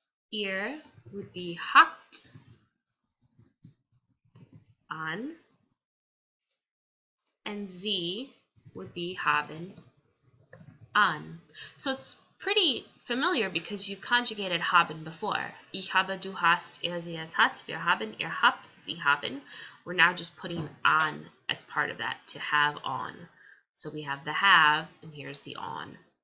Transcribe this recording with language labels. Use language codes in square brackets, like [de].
[en] ihr would be [de] hat an, [en] and Z would be [de] haben an. [en] So it's pretty familiar because you conjugated haben before. [de] Ich habe, du hast, er, sie, es hat, wir haben, ihr habt, sie haben. [en] We're now just putting an as part of that, to have on. So we have the have, and here's the on.